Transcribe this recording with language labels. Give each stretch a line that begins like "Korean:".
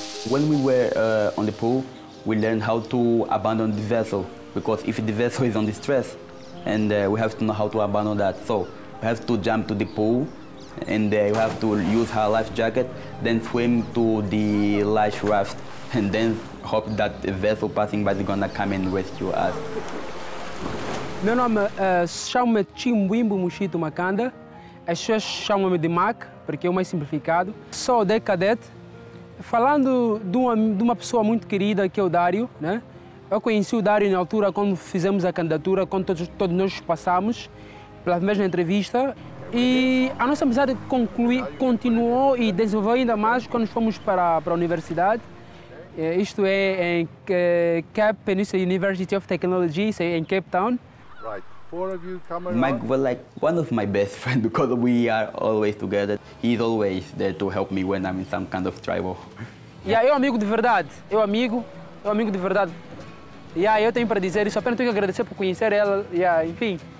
English: When we were on the pool, we learned how to abandon the vessel, because if the vessel is under stress, and we have to know how to abandon that. So we have to jump to the pool, and you have to use her life jacket, then swim to the life raft, and then hope that a vessel passing by is gonna come and rescue us.
Portuguese: Meu nome chama-me Chimbuimbo Mushito Makanda. As pessoas chamam-me de Mac, porque é o mais simplificado. Sou de cadete. Falando de uma pessoa muito querida, que é o Dário, né? Eu conheci o Dário na altura quando fizemos a candidatura, quando todos nós passamos pela mesma entrevista. E a nossa amizade continuou e desenvolveu ainda mais quando fomos para a universidade. Isto é em Cape Peninsula University of Technology, em Cape Town.
English: Right. Four of you come around. Mike was like one of my best friends because we are always together. He's always there to help me when I'm in some kind of trouble.
Portuguese: Yeah, eu amigo de verdade. Eu amigo de verdade. Yeah, eu tenho para dizer isso. Apenas tenho que agradecer por conhecer ela. Yeah, enfim.